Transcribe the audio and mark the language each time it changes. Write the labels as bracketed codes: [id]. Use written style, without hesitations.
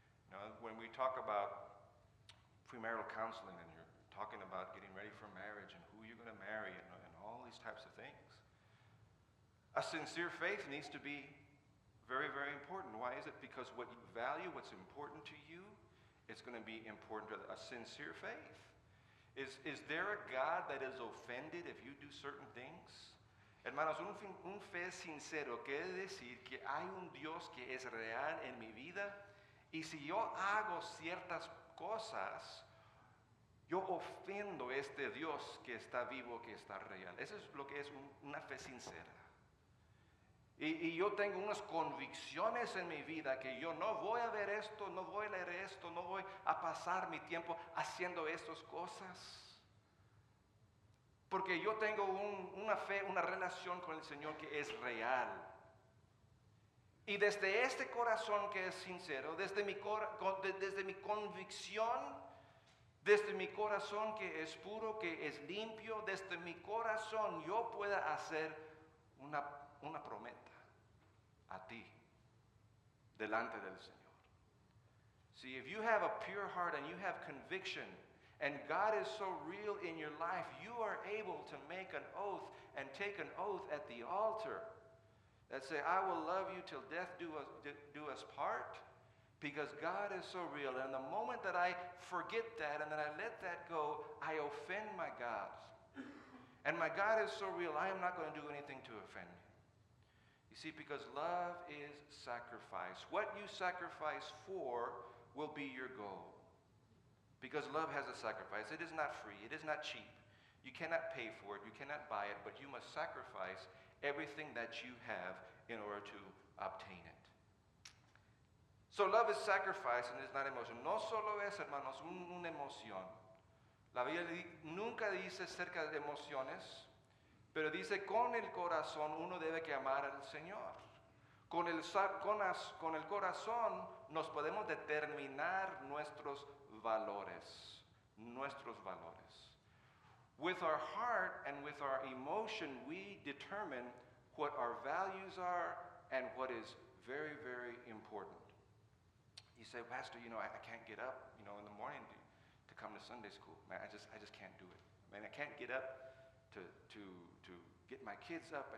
[en] Now, when we talk about premarital counseling and you're talking about getting ready for marriage and who you're going to marry and all these types of things, a sincere faith needs to be very, very important. Why is it? Because what you value, what's important to you, it's going to be important to a sincere faith. Is there a God that is offended if you do certain things? [es] Hermanos, un fe sincero quiere decir que hay un Dios que es real en mi vida, y si yo hago ciertas cosas, yo ofendo a este Dios que está vivo, que está real. Eso es lo que es una fe sincera. Y yo tengo unas convicciones en mi vida que yo no voy a ver esto, no voy a leer esto, no voy a pasar mi tiempo haciendo estas cosas. Porque yo tengo una fe, una relación con el Señor que es real. Y desde este corazón que es sincero, desde mi convicción, desde mi corazón que es puro, que es limpio, desde mi corazón yo pueda hacer una promesa a ti delante del Señor. [en] See, if you have a pure heart and you have conviction and God is so real in your life, you are able to make an oath and take an oath at the altar that say, I will love you till death do us part. Because God is so real, and the moment that I forget that and that I let that go, I offend my God. And my God is so real, I am not going to do anything to offend him. You see, because love is sacrifice. What you sacrifice for will be your goal. Because love has a sacrifice. It is not free. It is not cheap. You cannot pay for it. You cannot buy it. But you must sacrifice everything that you have in order to obtain it. So love is sacrifice and it's not emotion. [es] No solo es, hermanos, una emoción. La Biblia nunca dice acerca de emociones, pero dice con el corazón uno debe que amar al Señor. Con el corazón nos podemos determinar nuestros valores. Nuestros valores. [en] With our heart and with our emotion, we determine what our values are and what is very, very important. You say, Pastor, you know, I can't get up, you know, in the morning to come to Sunday school. Man, I just can't do it. Man, I can't get up to get my kids up.